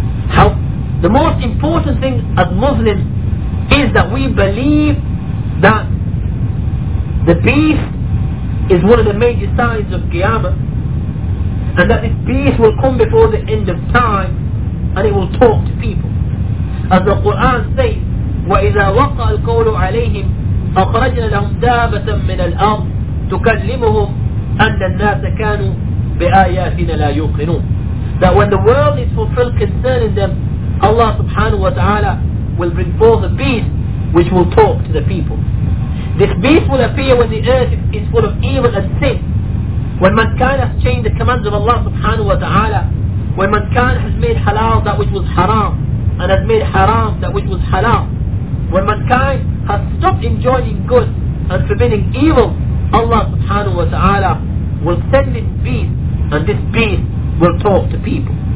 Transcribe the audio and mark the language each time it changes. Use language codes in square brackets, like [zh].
[en] How the most important thing as Muslims is that we believe that the beast is one of the major signs of Qiyamah, and that this beast will come before the end of time and it will talk to people. As the Quran says, [ar] وَإِذَا وَقَعَ الْقَوْلُ عَلَيْهِمْ أَخْرَجْنَا لَهُمْ دَابَةً مِنَ الْأَرْضِ تُكَلِّمُهُمْ أَنَّ النَّاسَ كَانُوا بآياتنا لا يوقنون. [en] That when the world is fulfilled concerning them, Allah subhanahu wa ta'ala will bring forth a beast which will talk to the people. This beast will appear when the earth is full of evil and sin. When mankind has changed the commands of Allah subhanahu wa ta'ala, when mankind has made halal that which was haram, and has made haram that which was halal, when mankind has stopped enjoying good and forbidding evil, Allah subhanahu wa ta'ala will send this beast, and this beast will talk to people.